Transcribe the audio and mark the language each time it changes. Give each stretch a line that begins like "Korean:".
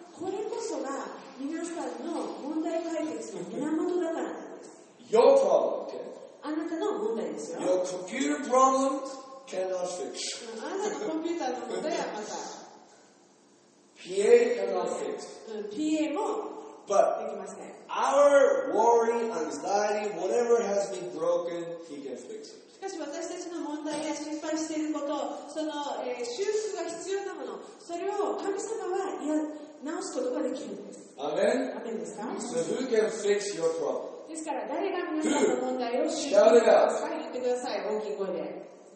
Japanese: これこそが皆さんの問題解決の源だからなんです。
English: Your problem, okay?
Japanese: あなたの問題ですよ。
English: Your computer problem cannot fix.
Japanese: あなたのコンピューターの問題はまた。
English: PA cannot fix.
Japanese: PA も
English: But
Japanese: できません。
English: Our worry, anxiety, whatever has been broken, he can fix it.
Japanese: しかし私たちの問題や心配していること、その、修復が必要なもの、それを神様は直すことができるんです。アメン。アメンですか。
English: So who can fix your problem?
Japanese: ですから誰が皆さんの問題を修復してください。言ってください。大きい声で。